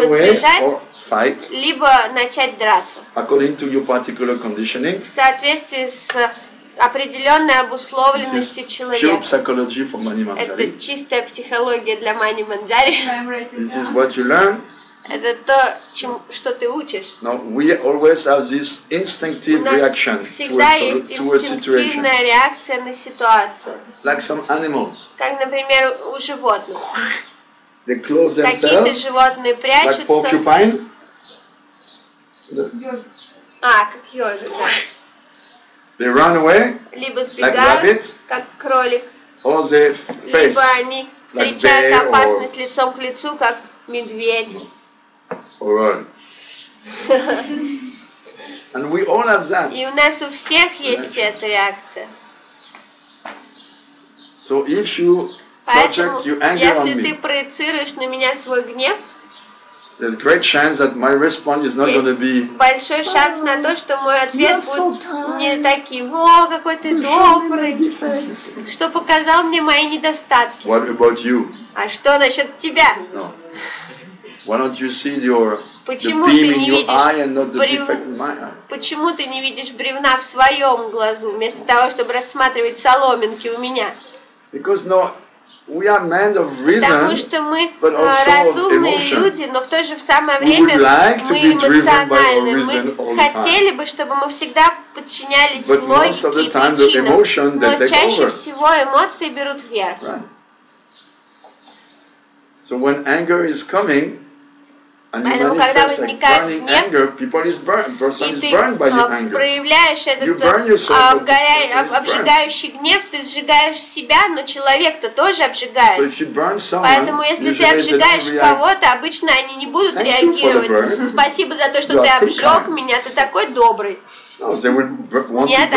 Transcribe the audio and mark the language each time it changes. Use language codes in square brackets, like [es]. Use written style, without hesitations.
[ru] либо сбежать, [en] or fight, [ru] либо начать драться. [en] According to your particular conditioning, [ru] в соответствии с определенной обусловленностью человека. [en] Pure psychology for Mani Mandari. [ru] Это чистая психология для Мани Мандари. [en] This is what you learn. [ru] Это то, чем, что ты учишь. [en] No, we always have this instinctive reaction to a situation. [ru] Всегда есть реакция на ситуацию. [en] Like some animals. [ru] Как, например, у животных. [en] They close themselves. [ru] Какие-то животные прячутся. [en] Like porcupine. [ru] Как ежик. [en] They run away. [ru] Либо [en] сбегают. Like rabbit. [ru] Как кролик. [en] Or they face. [ru] Либо они встречают [en] like [ru] опасность [en] or [ru] лицом к лицу, как медведь. [en] All right. And we all have that. [ru] И у нас у всех есть эта реакция. [en] So if you project your anger [ru] Поэтому, если [en] on me, [ru] ты проецируешь на меня свой гнев, [en] there's great chance that my response is not going to be. [ru] Большой шанс на то, что мой ответ будет не таким. О, какой ты добрый. Что показал мне мои недостатки. [en] What about you? [ru] А что насчет тебя? [en] No. Why don't you see your [ru] почему [en] the beam in your eye and not the defect in my eye? [ru] Почему ты не видишь бревна в своем глазу вместо того, чтобы рассматривать соломинки у меня? [en] Because no, We are men of reason, [ru] потому что мы разумные люди, но в то же самое время мы эмоциональны. Мы хотели бы, чтобы мы всегда подчинялись [en] but [ru] логике и причинам, [en] the emotion, [ru] но чаще всего эмоции берут вверх. [en] Right. So when anger is coming, and [ru] поэтому когда возникает гнев, [en] anger, people is burned, person is burned by your anger. [ru] Проявляешь этот обжигающий гнев, ты сжигаешь себя, но человек-то тоже обжигает. [en] So if you burn someone, [ru] поэтому если ты обжигаешь кого-то, обычно они не будут [en] thank [ru] реагировать. Спасибо за то, что ты обжег меня, ты такой добрый. Нет,